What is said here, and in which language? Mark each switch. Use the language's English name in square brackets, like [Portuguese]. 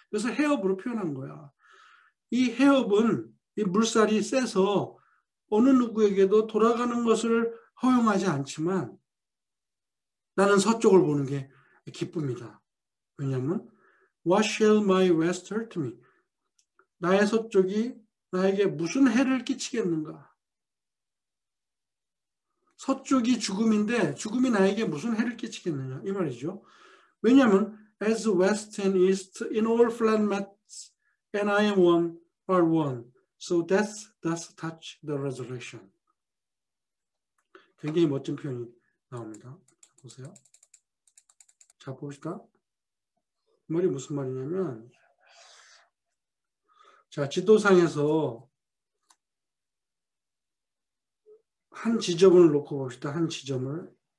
[Korean] 그래서 해협으로 표현한 거야. 이 해협은 이 물살이 세서 어느 누구에게도 돌아가는 것을 허용하지 않지만 나는 서쪽을 보는 게 기쁩니다. 왜냐하면 [English] What shall my west hurt me? [Korean] 나의 서쪽이 나에게 무슨 해를 끼치겠는가? 서쪽이 죽음인데 죽음이 나에게 무슨 해를 끼치겠느냐? 이 말이죠. 왜냐하면 [English] As west and east in all flat mats and I am one are one. So death does touch the resurrection. [Korean] 굉장히 멋진 표현이 나옵니다. 보세요. 자, 봅시다. 이 말이 무슨 말이냐면 자, 지도상에서 한 지점을 놓고 봅시다. 한 지점을.